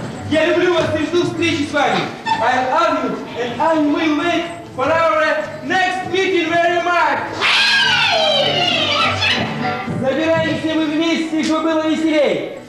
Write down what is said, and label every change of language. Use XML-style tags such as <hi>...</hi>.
<ru>Я люблю вас и жду встречи с вами.</ru> <en>I love you and I will wait for our next meeting very much.</en> <ru>Собираемся мы вместе, чтобы было веселей.</ru>